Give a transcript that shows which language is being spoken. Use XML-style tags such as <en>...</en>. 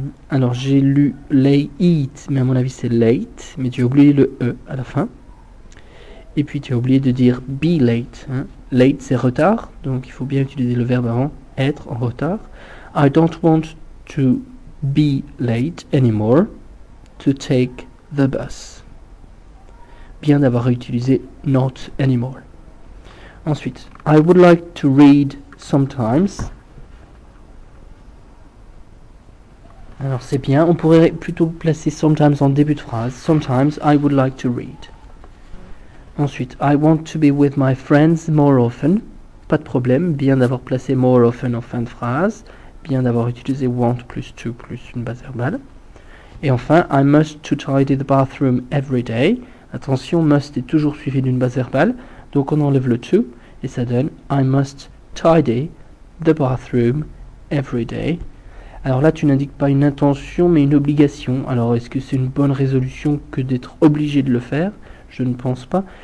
<fr>Alors j'ai lu lay eat, mais à mon avis c'est late, mais tu as oublié le e à la fin. Et puis tu as oublié de dire</fr> <en>be late.</en> <fr>Hein. Late c'est retard, donc il faut bien utiliser le verbe avant être en retard.</fr> <en>I don't want to be late anymore to take the bus.</en> <fr>Bien d'avoir utilisé</fr> <en>not anymore.</en> <fr>Ensuite,</fr> <en>I would like to read sometimes.</en> <fr>Alors c'est bien, on pourrait plutôt placer sometimes en début de phrase.</fr> <en>Sometimes I would like to read.</en> <fr>Ensuite,</fr> <en>I want to be with my friends more often.</en> <fr>Pas de problème, bien d'avoir placé</fr> <en>more often</en> <fr>en fin de phrase. Bien d'avoir utilisé want plus to plus une base verbale. Et enfin,</fr> <en>I must to tidy the bathroom every day.</en> <fr>Attention, must est toujours suivi d'une base verbale. Donc on enlève le to et ça donne</fr> <en>I must tidy the bathroom every day.</en> <fr>Alors là, tu n'indiques pas une intention, mais une obligation. Alors, est-ce que c'est une bonne résolution que d'être obligé de le faire? Je ne pense pas.</fr>